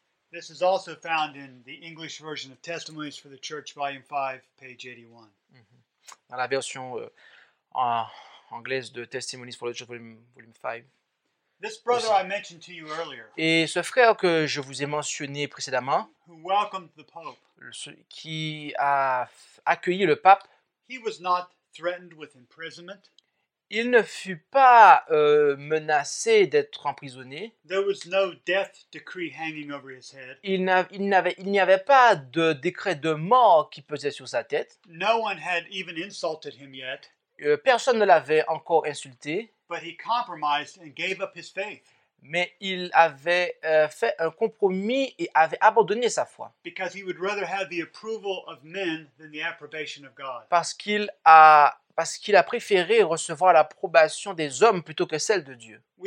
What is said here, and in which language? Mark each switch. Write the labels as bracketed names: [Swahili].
[English] This is also found in the English version of Testimonies for the Church, volume 5, page 81. [French] Dans la version anglaise de Testimonies for the Church, volume 5. [English] This brother I mentioned to you earlier, [French] et ce frère que je vous ai mentionné précédemment, [English] who welcomed the Pope, [French] qui a accueilli le pape, [English] he was not threatened with imprisonment. [French] Il ne fut pas menacé d'être emprisonné. [English] There was no death decree hanging over his head. [French] Il n'y avait pas de décret de mort qui pesait sur sa tête. [English] No one had even insulted him yet. [French] Personne ne l'avait encore insulté. [English] But he compromised and gave up his faith. [French] Mais il avait fait un compromis et avait abandonné sa foi. [English] Because he would rather have the approval of men than the approbation of God. [French] Parce qu'il a préféré recevoir l'approbation des hommes plutôt que celle de Dieu.